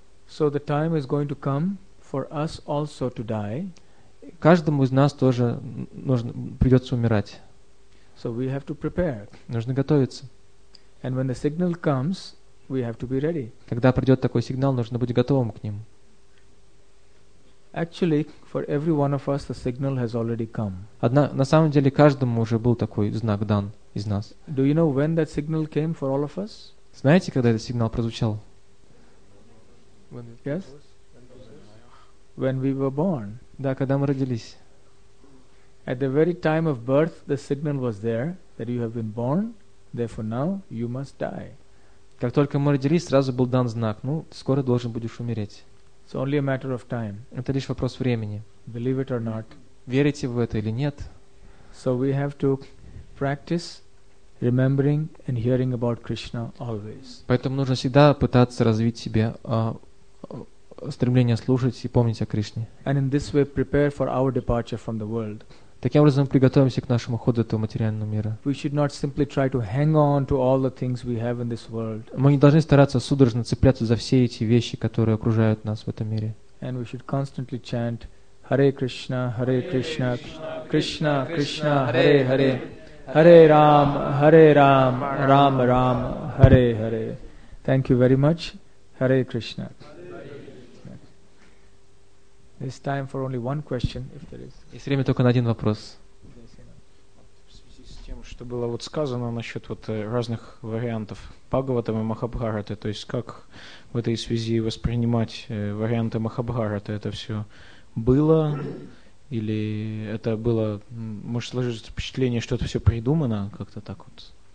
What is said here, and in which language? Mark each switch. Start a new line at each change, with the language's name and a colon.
English: So the time is going to come for us also to die.
Russian: Каждому из нас тоже придется умирать.
English: So we have to prepare.
Russian: Нужно готовиться.
English: And when the signal comes, we have to be ready.
Russian: Когда придет такой сигнал, нужно быть готовым к ним.
English: Actually, for every one of us, the signal has already come.
Russian: На самом деле каждому уже был такой знак дан из нас.
English: Do you know when that signal came for all of us?
Russian: Знаете, когда этот сигнал прозвучал?
English: Yes. When we were born.
Russian: Да, когда мы родились.
English: At the very time of birth, the signal was there that you have been born. Therefore, now you must die.
Russian: Как только мы родились, сразу был дан знак. Ну, скоро должен будешь умереть.
English: It's only a matter of time.
Russian: Это лишь вопрос времени.
English: Believe it or not.
Russian: Верите вы это или нет?
English: So we have to practice remembering and hearing about Krishna always.
Russian: Поэтому нужно всегда пытаться развить себе стремление слушать и помнить о Кришне.
English: And in this way, prepare for our departure from the world.
Russian: Таким образом, мы приготовимся к нашему уходу от этого материального мира.
English: We should not simply try to hang on to all the things we have in this world.
Russian: Мы не должны стараться судорожно цепляться за все эти вещи, которые окружают нас в этом мире.
English: And we should constantly chant Hare Krishna, Krishna, Krishna, Hare Hare, Hare Ram, Hare Ram, Ram Ram, Hare Hare. Thank you very much. Hare Krishna. There's time for only one question, if there is.
Russian: Есть время только на один вопрос. В связи с тем, что было вот сказано насчет вот разных вариантов Бхагавата и Махабхараты, то есть как в этой связи воспринимать варианты Махабхараты, это все было или это было, может сложиться впечатление, что это все придумано как-то так вот?